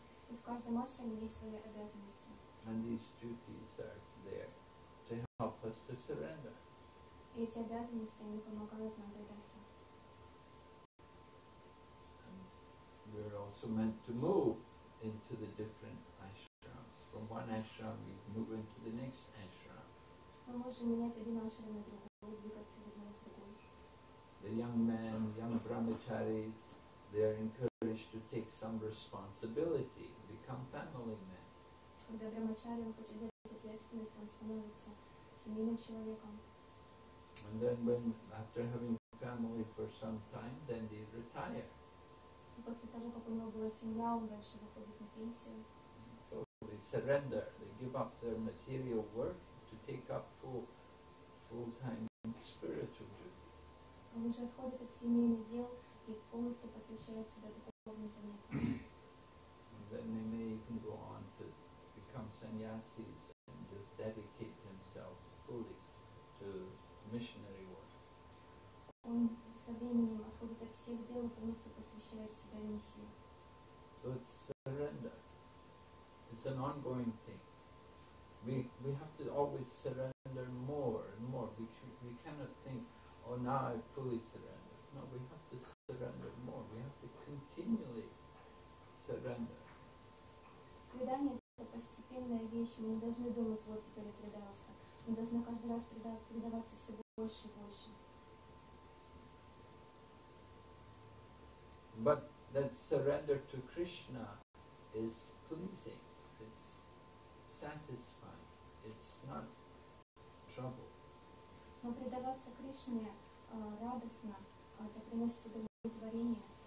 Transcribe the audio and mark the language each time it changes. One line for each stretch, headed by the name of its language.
Russian: И в каждом ашраме есть свои обязанности.
English: And these duties are there to help us to surrender.
Russian: И эти обязанности, они помогают нам предаться.
English: And we are also meant to move into the different ashrams. From one ashram, we move into the next ashram.
Russian: Мы можем менять один ашрам на другой, двигаться из одного в другой.
English: The young men, young brahmacharis, they are encouraged to take some responsibility, become family men.
Russian: Когда брахмачари хочет взять ответственность, он становится семейным человеком.
English: And then when, after having family for some time, then they retire.
Russian: И после того, как у него была семья, он дальше выходит на пенсию.
English: So they surrender, they give up their material work to take up full-time spiritual duties.
Russian: Он уже отходит от семейных дел и полностью посвящает себя духовным занятиям.
English: And then they may even go on to become sannyasis and just dedicate themselves fully to missionary work.
Russian: Он со временем отходит от всех дел и полностью посвящает себя миссии.
English: So it's surrender. It's an ongoing thing. We have to always surrender more and more. We cannot think, oh, now I fully surrender. No, we have to surrender more. We have to continually surrender.
Russian: Постепенная вещь, мы не должны думать, вот теперь я предался. Мы должны каждый раз предаваться все больше и больше.
English: But that surrender to Krishna is pleasing, it's satisfying, it's not trouble.
Russian: Но предаваться Кришне радостно, это приносит удовлетворение.